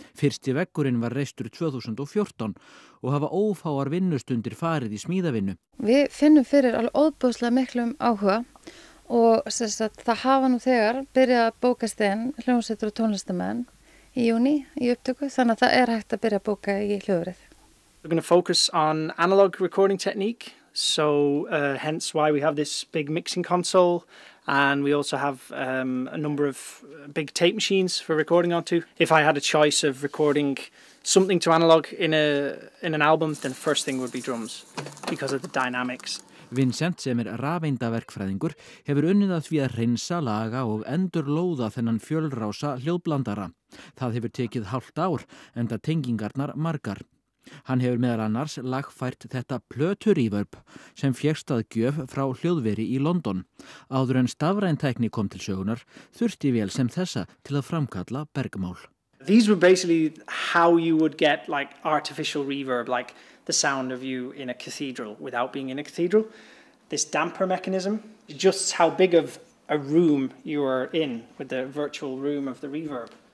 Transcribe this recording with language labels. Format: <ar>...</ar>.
<is>Fyrsti veggurinn var reistur 2014 og hafa ófáar vinnustundir farið í smíðavinnu. Við finnum fyrir alveg óbúðslega miklum áhuga og sagt, það hafa nú þegar byrjað að bókast inn hljómsveitur og tónlistamenn í júní í upptöku, þannig að það er hægt að byrja að bóka í hljóðverið.</is> <en>We're going to focus on analog recording technique, so hence why we have this big mixing console. And we also have a number of big tape machines for recording onto. If I had a choice of recording something to analog in an album, then the first thing would be drums, because of the dynamics.</en> <is>Vincent, sem rafeindaverkfræðingur, hefur unnið að því að hreinsa, laga og endurlóða þennan fjölrása hljóðblandara. Það hefur tekið hálft ár, enda tengingarnar margar. Hann hefur meðal annars lagfært þetta plöturíverb sem fékkst að gjöf frá hljóðveri í London. Áður en stafræn tækni kom til sögunar, þurfti vel sem þessa til að framkalla bergmál.</is> <en>These were basically how you would get like artificial reverb, like the sound of you in a cathedral without being in a cathedral. This damper mechanism, just how big of a room you are in with the virtual room of the reverb.</en>